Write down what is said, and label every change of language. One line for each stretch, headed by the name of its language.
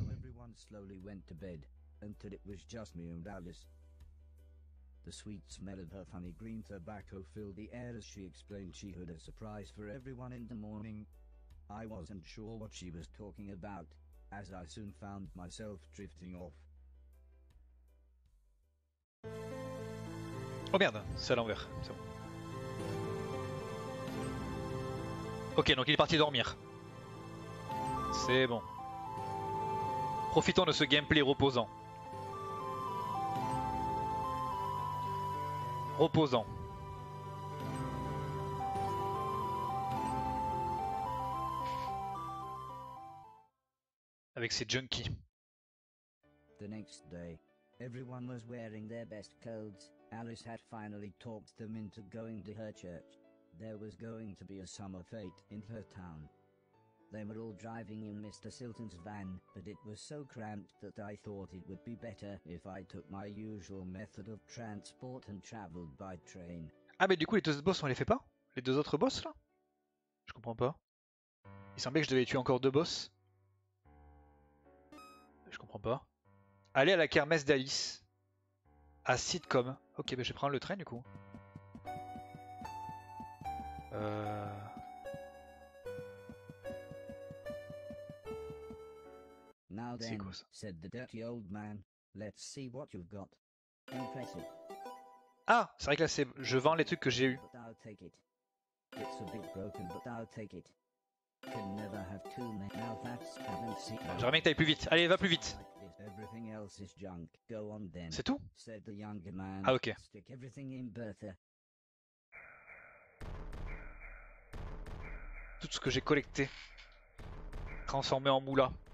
English: Everyone slowly went to bed until it was just me and Alice. The sweet smell of her funny green tobacco filled the air as she explained she had a surprise for everyone in the morning. I wasn't sure what she was talking about, as I soon found myself drifting off.
French: Oh merde, c'est à l'envers, c'est bon. Ok, donc il est parti dormir. C'est bon. Profitons de ce gameplay reposant. Reposant. Avec ses junkies.
English: The next day, everyone was wearing their best clothes. Alice had finally talked them into going to her church. There was going to be a summer fete in her town. They were all driving in Mr. Silton's van, but it was so cramped that I thought it would be better if I took my usual method of transport and traveled by train.
French: Ah mais du coup les deux autres boss on les fait pas? Les deux autres boss là? Je comprends pas. Il semblait que je devais tuer encore deux boss. Je comprends pas. Aller à la kermesse d'Alice. À sitcom. Ok, bah je vais prendre le train du coup.
English: Now then, said the dirty old man. Let's see what you've got. Impressive.
French: Ah, c'est vrai que là c'est, je vends les trucs que j'ai eu.
English: But I'll take it. It's a bit broken, but I'll take it. Can never have too many. Now that's haven't seen.
French: J'aimerais bien que t'ailles plus vite. Allez, va plus vite.
English: Everything else is junk. Go on then.
French: C'est tout?
English: Said the younger man. Ah ok. Stick everything in Bertha.
French: Tout ce que j'ai collecté, transformé en moula.